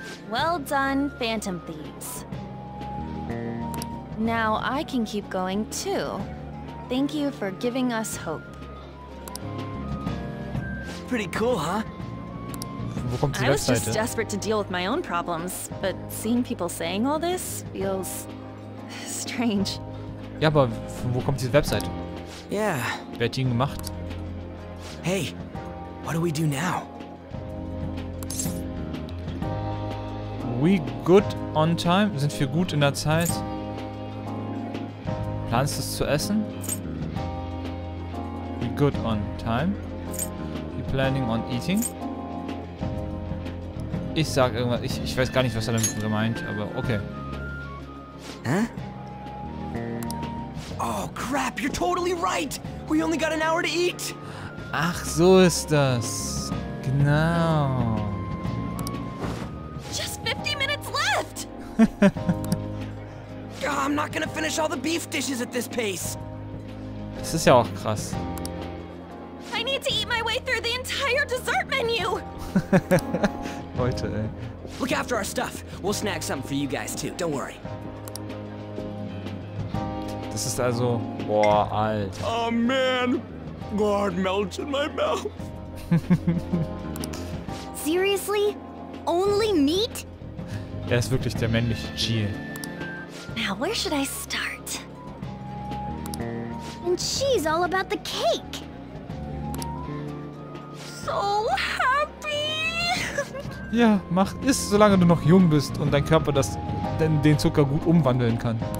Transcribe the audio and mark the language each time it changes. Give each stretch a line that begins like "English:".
English: Well done, Phantom Thieves. Now I can keep going too. Thank you for giving us hope. Pretty cool, huh?
German: Wo kommt die
English: Webseite? I was just desperate to deal with my own problems, but seeing people saying all this feels strange.
German: Ja, aber von wo kommt diese Webseite?
English: Yeah.
German: Wer hat die gemacht?
English: Hey, what do we do now? We good on time?
German: Sind wir gut in der Zeit? Planst du es zu essen?
English: We good on time? We planning on eating?
German: Ich sag irgendwas, ich weiß gar nicht, was er damit gemeint, aber okay. Hä? Huh?
English: Oh crap, you're totally right! We only got an hour to eat!
German: Ach, so ist das. Genau.
English: Just 50 minutes left! God, I'm not gonna finish all the beef dishes at this pace.
German: Das ist ja auch krass.
English: I need to eat my way through the entire dessert menu!
German: Heute, ey.
English: Look after our stuff. We'll snag something for you guys too, don't worry.
German: Das ist also, boah, Alter.
English: Oh man, God melts in my mouth. Seriously? Only meat?
German: Er ist wirklich der männliche Chie.
English: Now where should I start? And she's all about the cake. So happy.
German: Ja, mach es, solange du noch jung bist und dein Körper das, den Zucker gut umwandeln kann.